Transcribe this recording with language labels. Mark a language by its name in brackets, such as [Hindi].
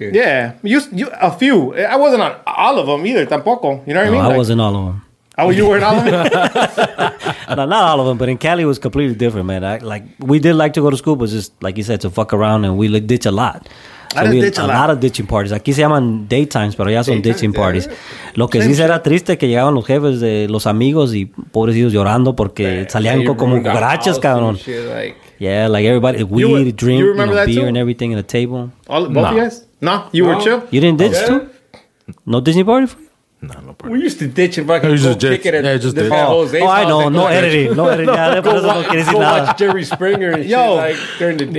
[English] Yeah. You, a few. I wasn't on all of them either, [Spanish] tampoco. [English] You know what I mean? I wasn't all of them. Oh, you weren't all of them? No, not all of them, but in Cali, it was completely different, man. Like, we did like to go to school, but just, like you said, to fuck around, and we ditch a lot. So we, a lot of ditching parties. [Spanish] Aquí se llaman [English] daytimes, [Spanish] pero ya son [English] daytime, ditching parties. [Spanish] Lo que sí era triste que llegaban los jefes de los amigos y pobrecitos llorando porque salían como cucarachas, cabrón. [English] Yeah, like everybody, weed, drink, you know, beer too? And everything at the table. Both of you guys? No, you were chill? You didn't ditch too? No ditching party for you? No, we used to ditch and fucking go kick it. Yeah, just ditch. Oh, I know. No editing. No editing. Go watch Jerry Springer and shit like during the day.